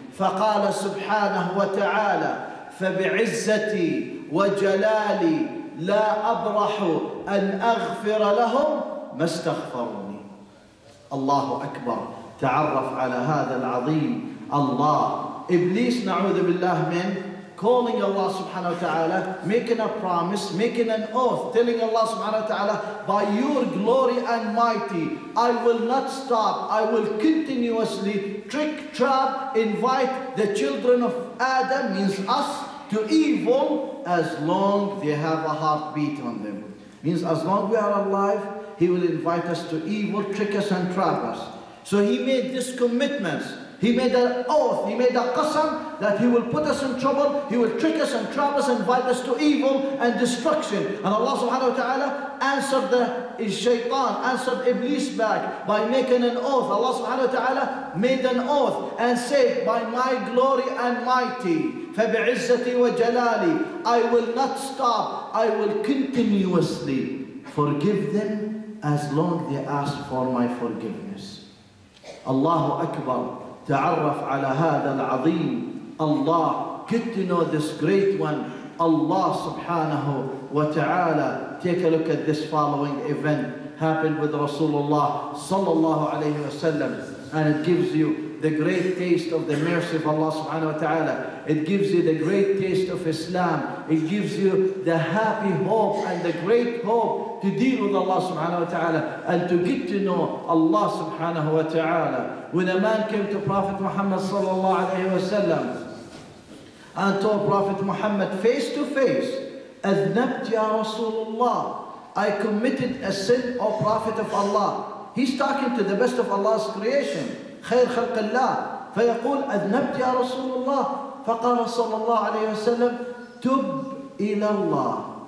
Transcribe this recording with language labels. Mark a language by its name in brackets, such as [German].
[Arabic] فقال سبحانه وتعالى فبعزتي وجلالي لا أبرح أن أغفر لهم ما استغفروني. الله أكبر، تعرف على هذا العظيم الله. إبليس نعوذ بالله من [English] calling Allah subhanahu wa ta'ala, making a promise, making an oath, telling Allah subhanahu wa ta'ala, by your glory and mighty, I will not stop, I will continuously trick, trap, invite the children of Adam, means us, to evil as long they have a heartbeat on them. Means as long we are alive, he will invite us to evil, trick us and trap us. So he made this commitment. He made an oath, he made a qasam that he will put us in trouble, he will trick us and trap us and invite us to evil and destruction. And Allah subhanahu wa ta'ala answered the shaytan, answered Iblis back by making an oath. Allah subhanahu wa ta'ala made an oath and said, by my glory and mighty, [Arabic] فَبِعِزَّتِي وَجَلَالِي, [English] I will not stop, I will continuously forgive them as long they ask for my forgiveness. [Arabic] Allahu Akbar. تعرف على هذا العظيم الله. [English] Get to know this great one, Allah subhanahu wa ta'ala. Take a look at this following event happened with Rasulullah sallallahu alayhi wa sallam, and it gives you the great taste of the mercy of Allah subhanahu wa ta'ala. It gives you the great taste of Islam. It gives you the happy hope and the great hope to deal with Allah subhanahu wa ta'ala and to get to know Allah subhanahu wa ta'ala. When a man came to Prophet Muhammad sallallahu alayhi wa sallam and told Prophet Muhammad face to face, [Arabic] أذنبت يا رسول الله, [English] I committed a sin, O Prophet of Allah. He's talking to the best of Allah's creation, [Arabic] خير خلق الله. فيقول أذنبت يا رسول الله, فقال صلى الله عليه وسلم تب إلى الله.